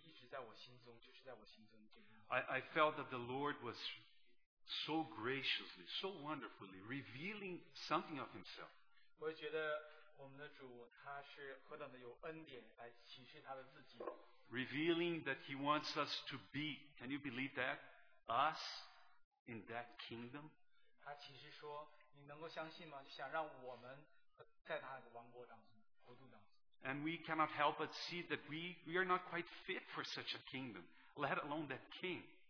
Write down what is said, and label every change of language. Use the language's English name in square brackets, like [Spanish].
[Chinese] 在这次特会当中，就是这些好像就是一直在我心中，就是在我心中。 [English] I felt that the Lord was so graciously, so wonderfully revealing something of Himself. [Chinese] 我觉得 我们的主，他是何等的有恩典来启示他的自己。 [English] Revealing that he wants us to be, can you believe that? Us in that kingdom? [Chinese] 他启示说，你能够相信吗？想让我们在他的王国当中，国度当中。 [English] And we cannot help but see that we are not quite fit for such a kingdom, let alone that king.